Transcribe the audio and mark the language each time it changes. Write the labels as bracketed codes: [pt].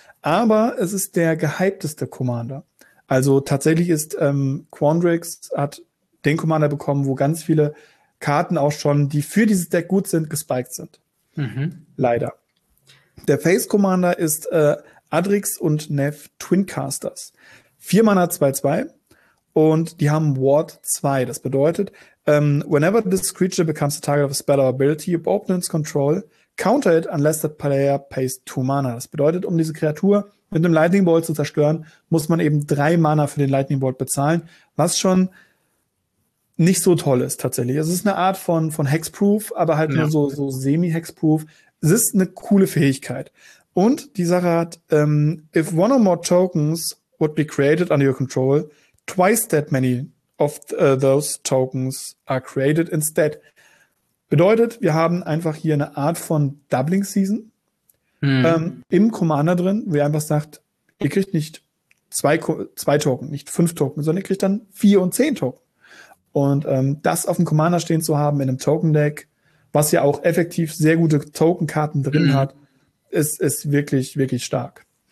[de] Aber es ist der gehypteste Commander. Also tatsächlich ist Quandrix hat den Commander bekommen, wo ganz viele Karten auch schon, die für dieses Deck gut sind, gespiked sind. Leider. Der Face Commander ist Adrix und Nev Twincasters. 4 Mana 2/2 und die haben Ward 2. Das bedeutet, [en] whenever this creature becomes a target of a spell or ability, your opponent's control, counter it unless the player pays 2 Mana. [de] Das bedeutet, um diese Kreatur mit einem Lightning Bolt zu zerstören, muss man eben 3 Mana für den Lightning Bolt bezahlen, was schon nicht so toll ist tatsächlich. Es ist eine Art von Hexproof, aber halt nur so semi-Hexproof. Es ist eine coole Fähigkeit. Und die Sache hat, [en] if one or more tokens would be created under your control, twice that many of those tokens are created instead. [de] Bedeutet, wir haben einfach hier eine Art von Doubling Season im Commander drin, wo ihr einfach sagt, ihr kriegt nicht zwei Token, nicht 5 Token, sondern ihr kriegt dann 4 und 10 Token. Und das auf dem Commander stehen zu haben in einem Token-Deck, was ja auch effektiv sehr gute Token-Karten drin hat, ist wirklich, wirklich stark.